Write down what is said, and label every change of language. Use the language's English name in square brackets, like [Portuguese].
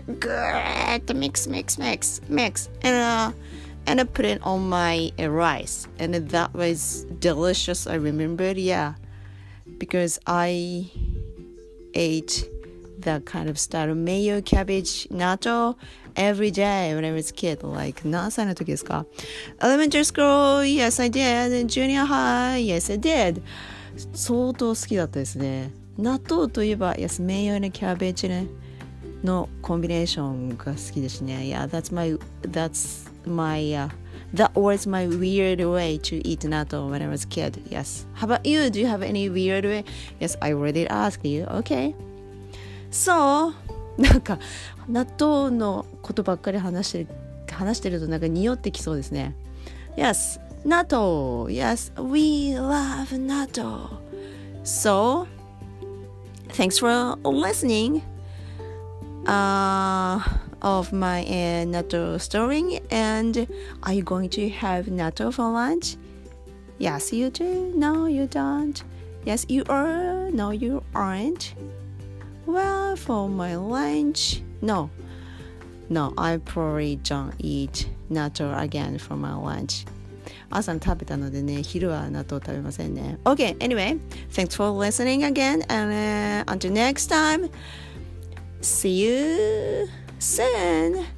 [English] Good, mix, and put it on my rice, and that was delicious. I remembered, yeah, because I ate. That kind of style, mayo, cabbage, natto, every day when I was a kid, like [Japanese] 何歳の時ですか? [English] Elementary school, yes I did, junior high, yes I did. [Japanese] 相当好きだったですね。納豆といえば、 [English] yes, mayo and cabbage、 [Japanese] ね、のコンビネーションが好きですね。 [English] Yeah, that was my weird way to eat natto when I was a kid, yes. How about you? Do you have any weird way? Yes, I already asked you, okay. [Japanese] そう、なんか納豆のことばっかり話してるとなんか匂ってきそうですね。 [English] Yes, natto. Yes, we love natto. So, thanks for listening of my natto story. And are you going to have natto for lunch? Yes, you do. No, you don't. Yes, you are. No, you aren't. Well, for my lunch, no, I probably don't eat natto again for my lunch. [Japanese] 朝食べたのでね、昼は納豆食べませんね。 [English] Okay, anyway, thanks for listening again, and until next time, see you soon.